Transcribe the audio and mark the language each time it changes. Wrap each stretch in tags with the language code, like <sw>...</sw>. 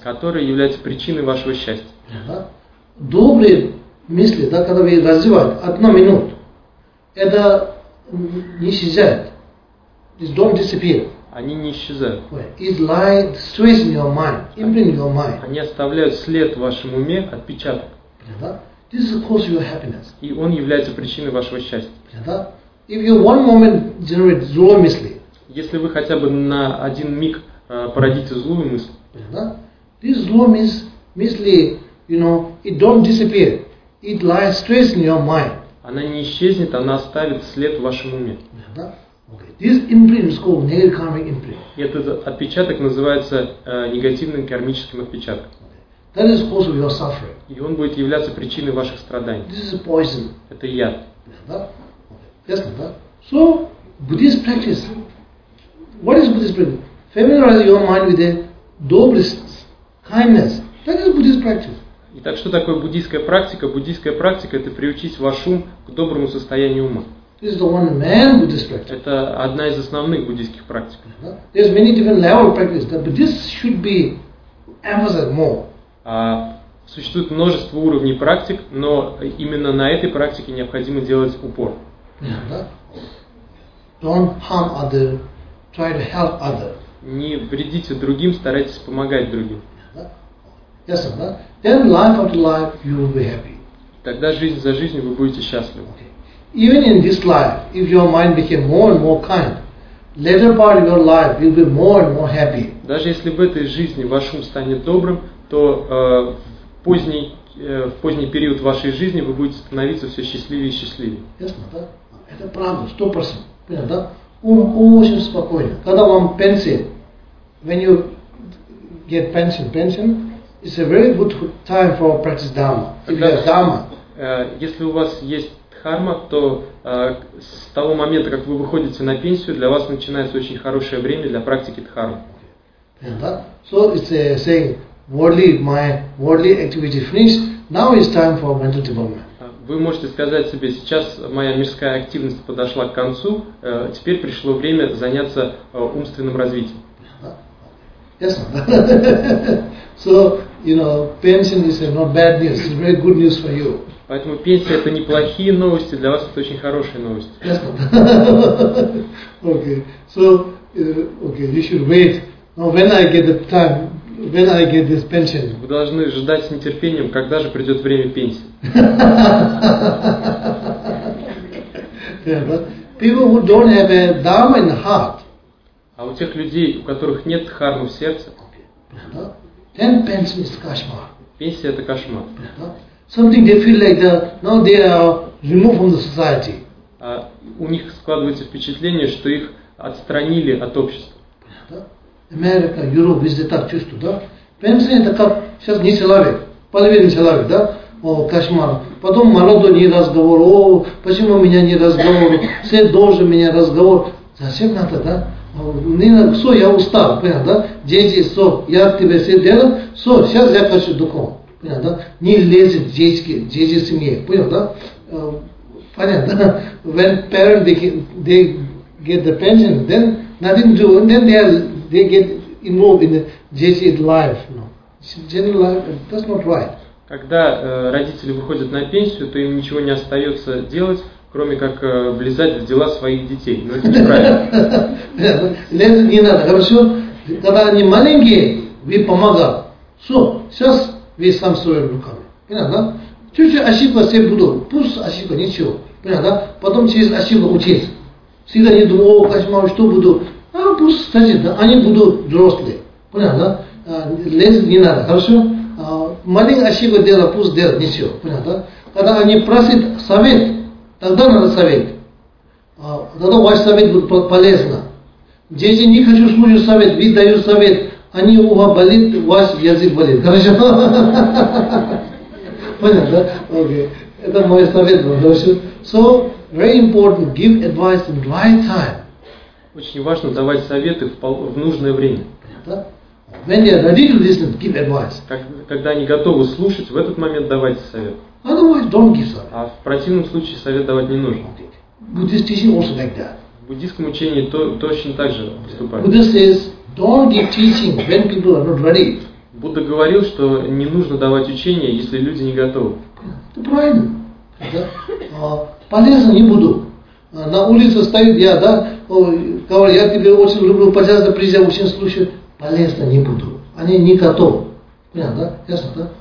<ru>Которая является причиной вашего счастья. Добрые мысли, да, когда вы развиваете, одна минута, это не исчезает.</ru> <en>It don't disappear.</en> <ru>Они не исчезают.</ru> <en>It's like stress in your mind, imprint in your mind.</en> <ru>Они оставляют след в вашем уме, отпечаток.</ru> <en>This is the cause of your happiness.</en> <ru>И он является причиной вашего счастья.</ru> <en>If you one moment generate zero мысли.</en> <ru>Если вы хотя бы на один миг породите злую мысль.</ru> <en>This</en> <ru>злой мысли,</ru> <en>it don't disappear. It lies stress in your mind.</en> <ru>Она не исчезнет, она оставит след в вашем уме.</ru> <en>This imprint is called negative karmic imprint.</en> <ru>Этот отпечаток называется негативным кармическим отпечатком.</ru> <en>That is cause of your suffering.</en> <ru>И он будет являться причиной ваших страданий.</ru> <en>This is poison.</en> <ru>Это яд. Ясно, да?</ru> <en>So, Buddhist practice. What is Buddhist practice? Familiarize your mind with the dobrists, kindness. That is Buddhist practice.</en> <ru>Итак, что такое буддийская практика? Буддийская практика – это приучить ваш ум к доброму состоянию ума.</ru> <en>This is the one main Buddhist practice.</en> <ru>Это одна из основных буддийских практик.</ru> <en>There's many different level practices, but this should be emphasized more.</en> <ru>Существует множество уровней практик, но именно на этой практике необходимо делать упор.</ru> <en>Don't harm other, try to help other.</en> <ru>Не вредите другим, старайтесь помогать другим.</ru> <en>Yes, sir, да? Then life after life you will be happy.</en> <ru>Тогда жизнь за жизнью вы будете счастливы.</ru> <en>Okay. Even in this life, if your mind became more and more kind, later part of your life you'll be more and more happy.</en> <ru>Даже если в этой жизни ваш ум станет добрым, то в поздний период вашей жизни вы будете становиться все счастливее и счастливее. Ясно, да? Это правда, 100%. Понятно, да? Ум очень спокойный. Когда вам пенсия,</ru> <en>when you get pension, it's a very good time for practice dharma.</en> <ru>Если у вас есть дхарма, то с того момента, как вы выходите на пенсию, для вас начинается очень хорошее время для практики дхармы. Понятно, да?</ru> <en>So it's a saying, my worldly activity finished. Now it's time for mental development.</en> <ru>Вы можете сказать себе, сейчас моя мирская активность подошла к концу, теперь пришло время заняться умственным развитием.</ru> <en>Yes. So, pension is not bad news. It's very good news for you.</en> <ru>Поэтому пенсия это неплохие новости, для вас это очень хорошие новости.</ru> <en>Yes. Okay. So, you should wait. Now, when I get this pension.</en> <ru>Вы должны ждать с нетерпением, когда же придет время пенсии.</ru> <en>People who don't have a dharma in the heart.</en> <ru>А у тех людей, у которых нет дхармы в сердце.</ru> <en>Then pension is кошмар.</en> <ru>Пенсия это кошмар. Something they feel like that now they are removed from the society. У них складывается впечатление, что их отстранили от общества. Америка, Европа, везде так чувствуют, да? Пенсия это как сейчас не человек, половина человек, да? О, кошмар. Потом народу не разговор, о, почему у меня не разговор, все должны меня разговор. Зачем надо, да? Все, я устал, понятно, да? Дети, все, я тебе все делал, все, сейчас я хочу духом, понятно, да? Не лезет дети семьи, понятно, да? Понятно, да?</ru> <en>When parents, they get the pension, then nothing to do, then they get involved in the дети life, General life, that's not right.</en> <ru>Когда родители выходят на пенсию, то им ничего не остается делать, кроме как влезать в дела своих детей. Но это неправильно. Не надо, хорошо? Когда они маленькие, вы помогал. Все, сейчас вы сам своими руками. Понятно? Чуть-чуть ошибка все будут. Пусть ошибка, ничего. Понятно? Потом через ошибку учиться. Всегда не думал, о, кошмар, что буду. А пусть, кстати, да, они будут взрослые. Понятно? Лезть не надо, хорошо? Маленькая ошибка делать, пусть делать, ничего. Понятно? Когда они просят совет, тогда надо совет. Тогда ваш совет будет полезно. Дети не хочу слушать совет, вы даете совет. Они у вас болит, ваш язык болит. Хорошо? Понятно, да? Окей. Это мой совет. Хорошо?</ru> <en>So, very important, give advice in right time.</en> <ru>Очень важно давать советы в нужное время. Понятно?</ru> <en>When they are ready to listen, give advice.</en> <ru>Когда они готовы слушать, в этот момент давайте совет.</ru> <en>Otherwise, don't give advice.</en> <ru>А в противном случае совет давать не нужно.</ru> <en>Buddhist teaching also like that.</en> <ru>В буддийском учении точно так же поступают.</ru> <en>Buddha says, don't give teaching when people are not ready.</en> <ru>Будда говорил, что не нужно давать учение, если люди не готовы. Это правильно. Да? Полезно не буду. На улице стоит я, да, говорю, я тебя очень люблю, пожалуйста, приезжай, очень слушаю. Полезно не буду. Они не готовы. Понятно, да? Ясно, да?</ru>